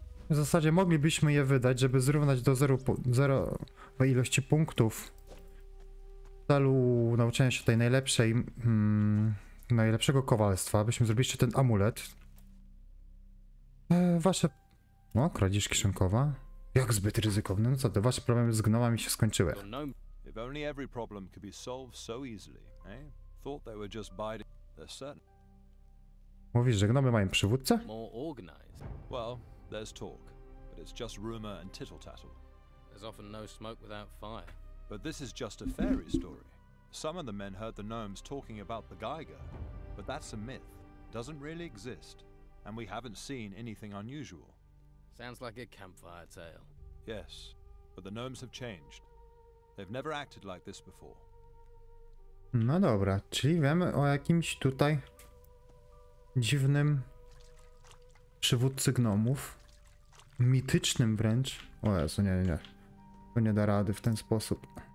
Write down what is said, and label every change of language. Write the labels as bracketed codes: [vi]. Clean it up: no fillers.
[pl] W zasadzie moglibyśmy je wydać, żeby zrównać do 0 ilości punktów. W celu nauczenia się tej najlepszej, najlepszego kowalstwa, byśmy zrobili jeszcze ten amulet. Wasze... o, kradzież kieszonkowa. Jak zbyt ryzykowne, no co to, wasze problemy z gnomami się skończyły. [en] If only every problem could be solved so easily, eh? Thought they were just biding their certain. [pl] Mówisz, że gnomy mają przywódcę? [en] More organized. Well, there's talk, but it's just rumor and tittle-tattle. There's often no smoke without fire. But this is just a fairy story. Some of the men heard the gnomes talking about the Geiger, but that's a myth. Doesn't really exist, and we haven't seen anything unusual. Sounds like a campfire tale. Yes, but the gnomes have changed. They've never acted like this before. [pl] No dobra, czyli wiemy o jakimś tutaj dziwnym przywódcy gnomów. Mitycznym wręcz. O Jezu, nie, nie, nie. To nie da rady w ten sposób.